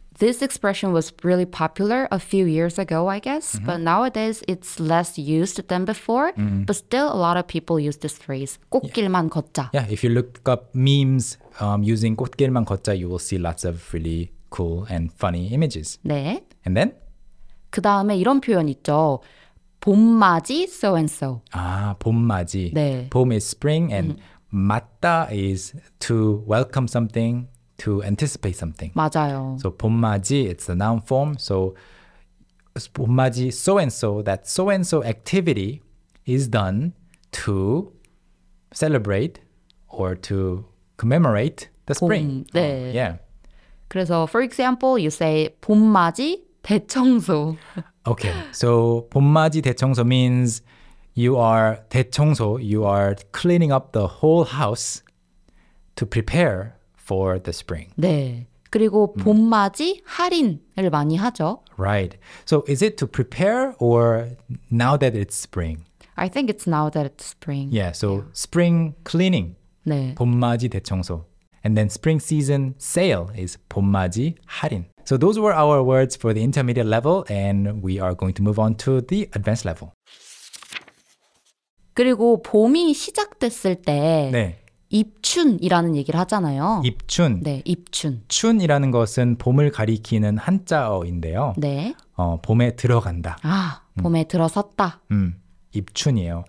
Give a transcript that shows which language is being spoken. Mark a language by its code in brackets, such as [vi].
[en] This expression was really popular a few years ago, I guess. Mm-hmm. But nowadays, it's less used than before. Mm-hmm. But still, a lot of people use this phrase, [ko] 꽃길만 [en] yeah. [ko] 걷자. [en] Yeah, if you look up memes using 꽃길만 걷자, you will see lots of really cool and funny images. [ko] 네. [en] And then? [ko] 그 다음에 이런 표현 있죠. 봄맞이 so-and-so. 아, 봄맞이. 네. [en] 봄 is spring and mm-hmm. 맞다 is to welcome something. To anticipate something. [ko] 맞아요. [en] So 봄맞이, it's the noun form. So 봄맞이 so-and-so, that so-and-so activity is done to celebrate or to commemorate the [ko] 봄, [en] spring. [ko] 네. [en] Oh, yeah. [ko] 그래서 [en] for example, you say 봄맞이 대청소. Okay. So 봄맞이 대청소 means you are 대청소, you are cleaning up the whole house to prepare for the spring. [ko] 네. 그리고 봄맞이 할인을 많이 하죠. [en] Right. So is it to prepare or now that it's spring? I think it's now that it's spring. Yeah. So yeah. spring cleaning. [ko] 네. [en] 봄맞이 대청소. And then spring season sale is 봄맞이 할인. So those were our words for the intermediate level and we are going to move on to the advanced level. [ko] 그리고 봄이 시작됐을 때 네. 입춘이라는 얘기를 하잖아요. 입춘. 네, 입춘. 춘이라는 것은 봄을 가리키는 한자어인데요. 네. 봄에 들어간다. 아, 봄에 들어섰다. 입춘이에요.